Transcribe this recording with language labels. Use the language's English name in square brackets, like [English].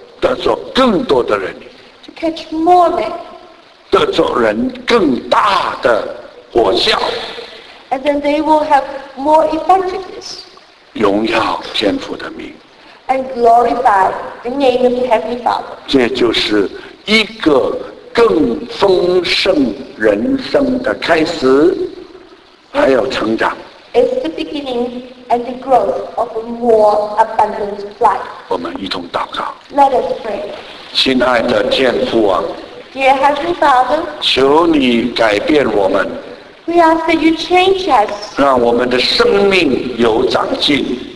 [Chinese] 得做更多的人 [English] To catch more men. [Chinese] 得做人更大的果效 [English] and then they will have more effectiveness. [Chinese] 荣耀天父的名 [English] and glorify the name of the Heavenly Father. [Chinese] 这就是一个更丰盛人生的开始，还有成长。 [English] It's the beginning and the growth of a more abundant life. [Chinese] 我们一同祷告。 [English] Let us pray. [Chinese] 亲爱的天父啊 [English] ，Dear Heavenly Father, [Chinese] 求你改变我们。 [English] We ask that you change us. [Chinese] 让我们的生命有长进。